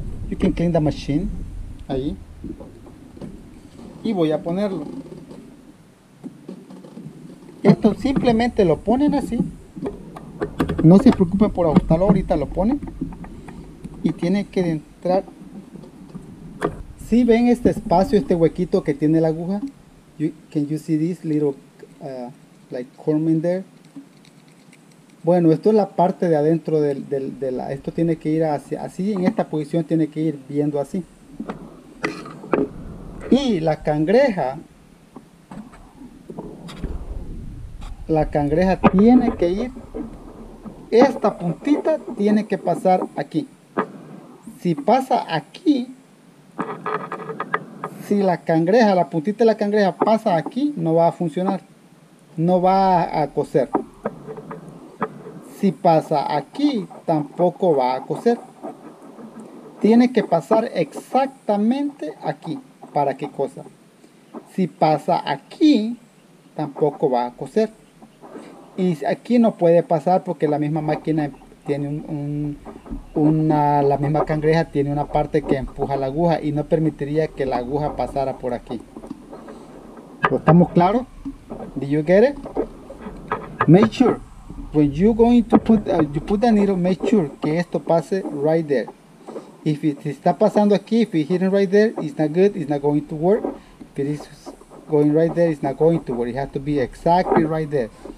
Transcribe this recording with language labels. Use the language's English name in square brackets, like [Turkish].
[English] You can clean the machine [Spanish] ahí y voy a ponerlo. Esto simplemente lo ponen así, no se preocupen por ajustarlo, ahorita lo ponen y tiene que entrar. Si ¿Sí ven este espacio, este huequito que tiene la aguja? [English] Can you see this little like comb in there? [Spanish] Bueno, esto es la parte de adentro de la. Esto tiene que ir hacia así, en esta posición tiene que ir viendo así. Y la cangreja tiene que ir. Esta puntita tiene que pasar aquí. Si pasa aquí. Si la cangreja, la puntita de la cangreja pasa aquí, no va a funcionar. No va a coser. Si pasa aquí, tampoco va a coser. Tiene que pasar exactamente aquí para que cosa. Si pasa aquí, tampoco va a coser. Y aquí no puede pasar porque la misma máquina tiene la misma cangreja tiene una parte que empuja la aguja y no permitiría que la aguja pasara por aquí. ¿Estamos claros? [English] Did you get it? Make sure when you going to put you put the needle, make sure [Spanish] que esto pase [English] right there. If it [Spanish] está pasando aquí, [English] if it's hitting right there, it's not good, it's not going to work. If it is going right there, it's not going to work. It has to be exactly right there.